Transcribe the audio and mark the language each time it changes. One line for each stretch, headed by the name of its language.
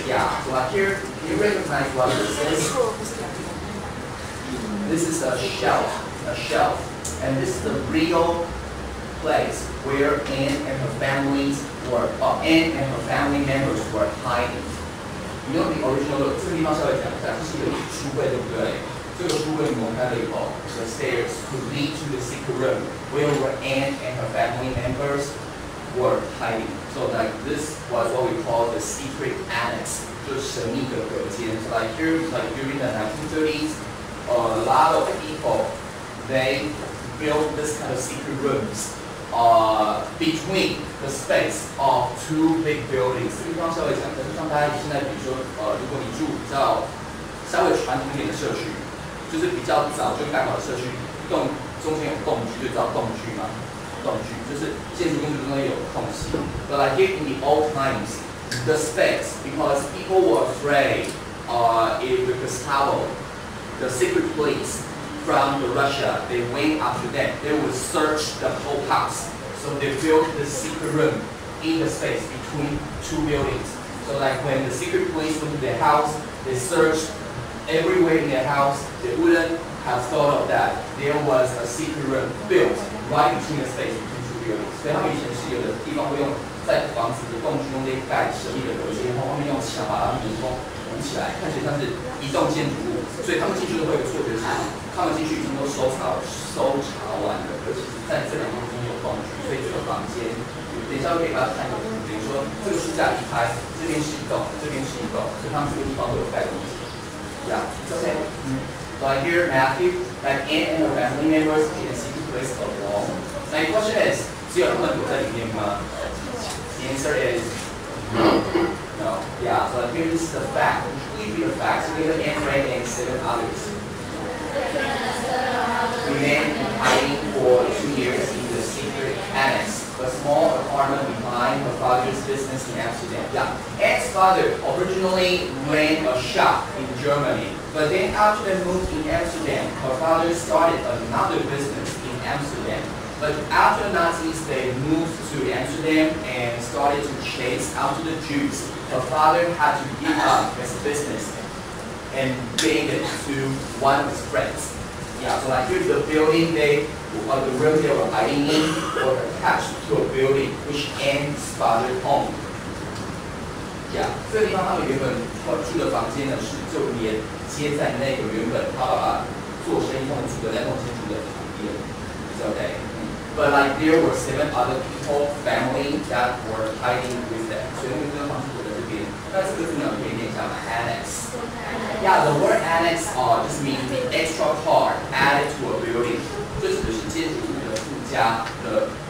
English: Yeah, so up here, can you recognize what this is? This is a shelf. And this is the real place where Anne and her family members were hiding. You know the original look?
Chinese: 这个地方稍微讲一下，这是一个书柜，对不对？这个书柜挪开了以后
English: the stairs to lead to the secret room where Anne and her family members were hiding. So like this was what we call the secret annex,
Chinese: 就是神秘的隔间。
English: So like here, like during the 1930s, a lot of people, they built this kind of secret rooms between the space of two big buildings.
Chinese: 这个地方稍微讲，可是像大家现在比如说如果你住比较稍微传统一点的社区，就是比较早就盖好的社区，中间有洞居，就知道洞居吗？洞居就是建筑中间有空隙。
English: But like here in the old times, the space, because people were afraid, if the Gestapo, the secret police from the Russia, they went after them, they would search the whole house. So they built the secret room in the space between two buildings. So like when the secret police went to their house, they searched everywhere in their house, they wouldn't. Have thought of that. There was a secret room built right between the space between two buildings.
Chinese: 所以他们以前是有的地方会用在房子的洞穴中间盖神秘的隔间，然后外面用墙把它人工围起来，看起来像是一栋建筑物。所以他们进去都会有错觉，是他们进去已经都搜查完了，而且在这两栋中间有洞穴，所以这个房间，等一下可以把它看个图，等于说这个书架一拍，这边是一栋，这边是一栋，所以他们这个地方都有盖东西。
English: Yeah. OK. So I hear Matthew, that Anne and her family members in a secret place alone. Now your question is,
Chinese: 只有他们躲在里面吗？
English: The answer is no. Yeah, so here is the fact. Completely the fact. We have Anne Frank and 7 others. Remained in hiding for 2 years in the secret annex, a small apartment behind her father's business in Amsterdam. Yeah, Anne's father originally ran a shop in Germany. But then after they moved in Amsterdam, her father started another business in Amsterdam. But after Nazis, they moved to Amsterdam and started to chase after the Jews. Her father had to give up his business and gave it to one of his friends. Yeah, so like here's the building the room they were hiding in was attached to a building which Anne's father owned.
Chinese: Yeah, 这个地方他们原本住的房间呢是就连接在那个原本他爸爸做生意用的那栋建筑的旁边。
English: Okay. But like there were 7 other people, family that were hiding with them.
Chinese: 所以那个房子就在这边。那这个地方可以念一下吗 ？Annex.
English: Yeah, the word annex just means the extra part added to a building.
Chinese: 就指的是建筑物的附加的